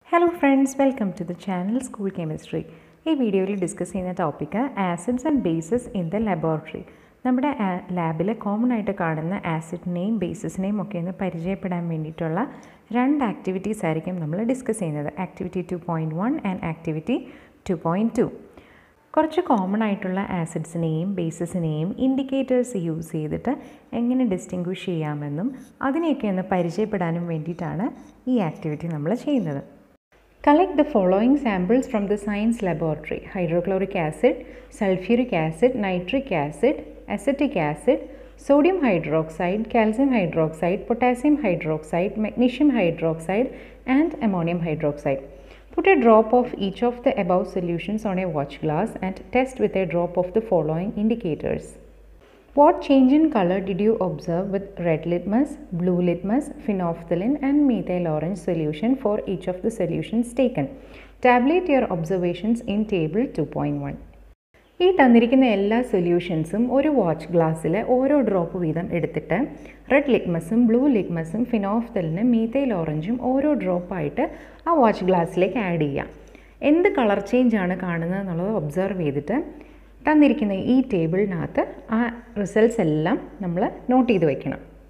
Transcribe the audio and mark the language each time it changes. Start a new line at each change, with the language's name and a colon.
English: Hello friends, welcome to the channel School Chemistry. This video will discuss the topic acids and bases in the laboratory.
Malayalam: നമ്മുടെ ലാബിൽ common ആയിട്ട് കാണുന്ന ആസിഡിനെയും ബേസിസിനെയും ഒക്കെ ഒന്ന് പരിചയപ്പെടാൻ വേണ്ടിയിട്ടുള്ള രണ്ട് ആക്ടിവിറ്റീസ് ആയിരിക്കും നമ്മൾ ഡിസ്കസ് ചെയ്യുന്നത്, ആക്ടിവിറ്റി 2.1 ആൻഡ് ആക്ടിവിറ്റി 2.2. കുറച്ച് കോമൺ ആയിട്ടുള്ള ആസിഡ്സിനെയും ബേസിസിനെയും ഇൻഡിക്കേറ്റേഴ്സ് യൂസ് ചെയ്തിട്ട് എങ്ങനെ ഡിസ്റ്റിംഗ്വിഷ് ചെയ്യാമെന്നും അതിനെയൊക്കെ ഒന്ന് പരിചയപ്പെടാനും വേണ്ടിയിട്ടാണ് ഈ ആക്ടിവിറ്റി നമ്മൾ ചെയ്യുന്നത്.
English: Collect the following samples from the science laboratory: hydrochloric acid, sulfuric acid, nitric acid, acetic acid, sodium hydroxide, calcium hydroxide, potassium hydroxide, magnesium hydroxide and ammonium hydroxide. Put a drop of each of the above solutions on a watch glass and test with a drop of the following indicators. What change in color did you observe with red litmus, blue litmus, phenolphthalein and methyl orange solution for each of the solutions taken? Tabulate your observations in table 2.1.
Malayalam: ഈ തന്നിരിക്കുന്ന എല്ലാ സൊല്യൂഷൻസും ഒരു watch ഗ്ലാസ്സിൽ ഓരോ drop വീതം എടുത്തിട്ട് red ലിറ്റ്മസും blue ലിറ്റ്മസും ഫിനോഫ്തലിനും methyl ഓറഞ്ചും ഓരോ ഡ്രോപ്പായിട്ട് ആ വാച്ച് ഗ്ലാസ്സിലേക്ക് ആഡ് ചെയ്യാം. എന്ത് കളർ ചേഞ്ച് ആണ് കാണുന്നത് എന്നുള്ളത് ഒബ്സർവ് ചെയ്തിട്ട് തന്നിരിക്കുന്ന ഈ ടേബിളിനകത്ത് ആ റിസൾട്ട്സ് എല്ലാം നമ്മൾ നോട്ട് ചെയ്ത് വയ്ക്കണം.